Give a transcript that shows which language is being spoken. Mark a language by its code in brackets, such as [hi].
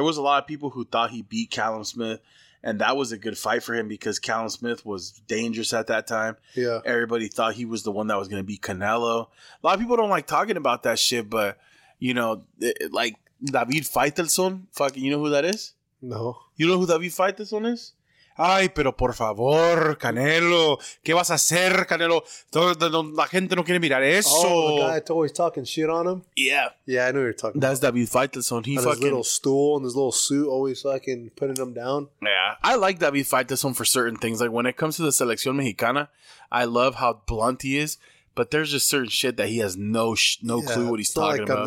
[en] There was a lot of people who thought he beat Callum Smith. And that was a good fight for him because Callum Smith was dangerous at that time. Yeah. Everybody thought he was the one that was going to beat Canelo. A lot of people don't like talking about that shit, but, you know, like David Faitelson, fucking, you know who that is? No. You know who David Faitelson is? [es] Ay, pero por favor, Canelo, ¿qué vas a hacer, Canelo? La gente no quiere mirar eso. [en] Oh, the guy always talking shit on him? Yeah. Yeah, I know you're talking about. That's David Faitelson. He fucking... his little stool and his little suit always fucking putting him down. Yeah. I like David Faitelson for certain things. Like when it comes to the Selección Mexicana, I love how blunt he is. But there's just certain shit that he has no clue what he's talking about.